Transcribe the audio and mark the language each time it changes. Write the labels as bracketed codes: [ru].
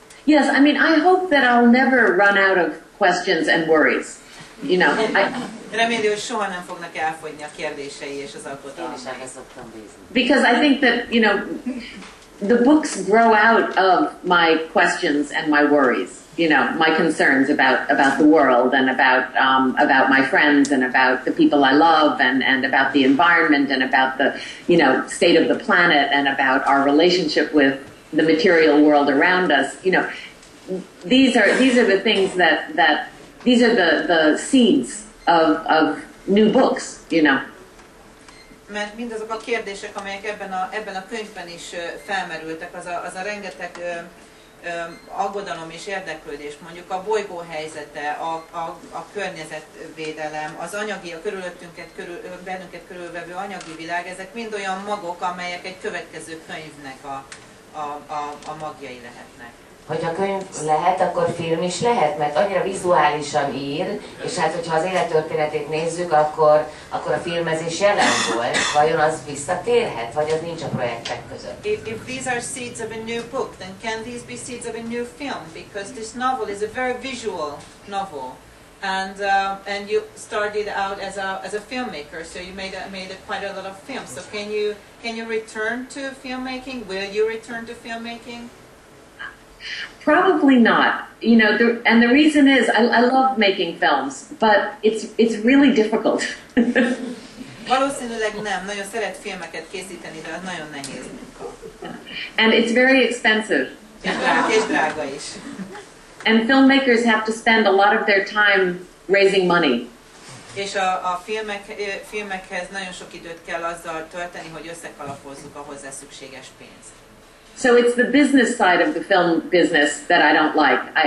[en] Yes, I mean, I hope that I'll never run out of questions and worries. You know, [hu] remélem, hogy soha nem fognak elfogyni a kérdései és az aggodalmai. [en] Because I think that, you know, the books grow out of my questions and my worries. You know, my concerns about the world and about my friends and about the people I love and about the environment and about the, you know, state of the planet and about our relationship with the material world around us. You know, these are the things that these are the seeds of new books, you know. [hu] Mert mindazok a kérdések, amelyek ebben a könyvben is felmerültek, az a rengeteg aggodalom és érdeklődés, mondjuk a bolygó helyzete, a környezetvédelem, az anyagi, a bennünket körülvevő anyagi világ, ezek mind olyan magok, amelyek egy következő könyvnek a magjai lehetnek. Hogyha könyv lehet, akkor film is lehet, mert annyira vizuálisan ír, és hát, hogyha az élettörténetét nézzük, akkor a filmezés jelen volt, vajon az visszatérhet, vagy az nincs a projektek között. [en] If these are seeds of a new book, then can these be seeds of a new film? Because this novel is a very visual novel, and you started out as a filmmaker, so you made quite a lot of films. So can you return to filmmaking? Will you return to filmmaking? Probably not, you know, and the reason is I love making films, but it's really difficult. [hu] Valószínűleg nem, nagyon szeret filmeket készíteni, de az nagyon nehéz. [en] And it's very expensive. [hu] És drága is. [en] And filmmakers have to spend a lot of their time raising money. [hu] És a filmekhez nagyon sok időt kell azzal tölteni, hogy összekalapozzuk a hozzá szükséges pénzt. [en] So it's the business side of the film business that I don't like.